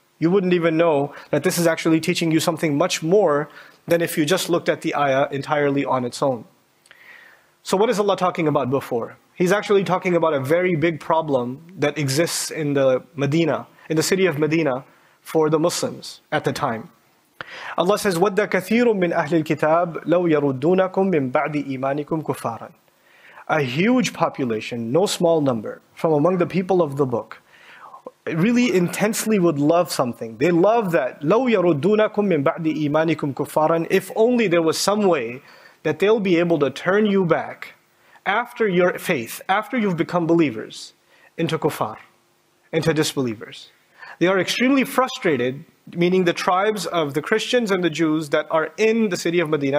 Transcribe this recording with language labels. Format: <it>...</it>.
<en>You wouldn't even know that this is actually teaching you something much more than if you just looked at the ayah entirely on its own. So what is Allah talking about before? He's actually talking about a very big problem that exists in the Medina, in the city of Medina, for the Muslims at the time. Allah says,</en> <ar>وَدَّ كَثِيرٌ مِّنْ أَهْلِ الْكِتَابِ لَوْ يَرُدُّونَكُمْ مِّنْ بَعْدِ إِيمَانِكُمْ كُفَّارًا.</ar> <en>A huge population, no small number, from among the people of the book, really intensely would love something. They love that,</en> <ar>لَوْ يَرُدُّونَكُمْ مِّنْ بَعْدِ إِيمَانِكُمْ كُفَّارًا.</ar> <en>If only there was some way that they'll be able to turn you back after your faith, after you've become believers, into kuffar, into disbelievers. They are extremely frustrated meaning the tribes of the Christians and the Jews that are in the city of Medina.</en>